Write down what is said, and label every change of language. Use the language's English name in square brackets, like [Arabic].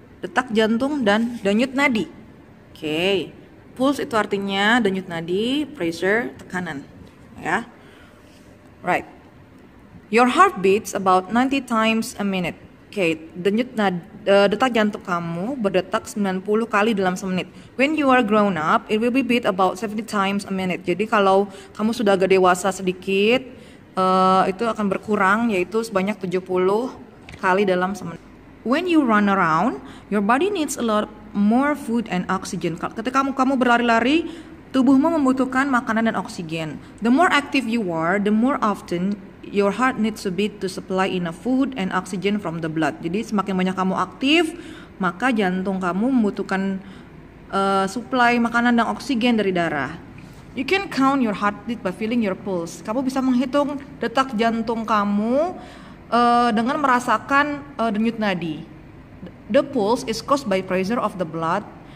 [Indonesian] Detak jantung dan denyut nadi. Okay, pulse itu artinya denyut nadi, pressure, tekanan. [English] Yeah. Right. Your heart beats about 90 times a minute. Okay, [Indonesian] detak jantung kamu berdetak 90 kali dalam semenit. [English] When you are grown up, it will be beat about 70 times a minute. [Indonesian] Jadi kalau kamu sudah agak dewasa sedikit, itu akan berkurang, yaitu sebanyak 70 kali dalam semenit. [English] When you run around, your body needs a lot more food and oxygen. [Indonesian] Ketika kamu berlari-lari, tubuhmu membutuhkan makanan dan oksigen. [English] The more active you are, the more often your heart needs to beat to supply enough food and oxygen from the blood. [Indonesian] Jadi semakin banyak kamu aktif, maka jantung kamu membutuhkan supply makanan dan oksigen dari darah. [English] You can count your heartbeat by feeling your pulse. [Indonesian] Kamu bisa menghitung detak jantung kamu dengan merasakan denyut nadi. [English] The pulse is caused by pressure of the blood.